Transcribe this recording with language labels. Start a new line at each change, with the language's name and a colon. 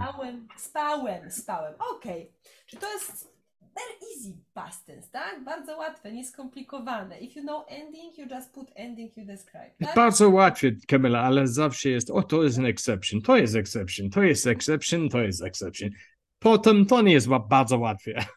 Polish: czytałem, spałem, spałem. Okej. Okay. Czy to jest
English: very easy past tense,
Polish: tak? Bardzo łatwe, nieskomplikowane.
English: If you know ending, you just put ending you describe, tak?
Polish: Bardzo łatwiej, Kamila, ale zawsze jest, o, to jest an exception, to jest exception, to jest exception, to jest exception. Potem to nie jest bardzo łatwiej.